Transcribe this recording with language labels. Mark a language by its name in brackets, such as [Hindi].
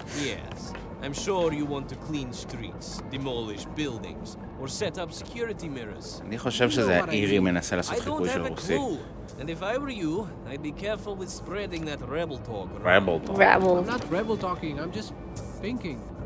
[English] Yes, I'm sure you want to clean streets, demolish buildings, or set up security mirrors. [Hebrew] אני חושב שזה האירי מנסה לעשות חיקוי של רוסי. [English] And if I were you, I'd be careful with spreading that rebel talk. Rebel talk. Rebel. I'm not rebel talking, I'm just thinking.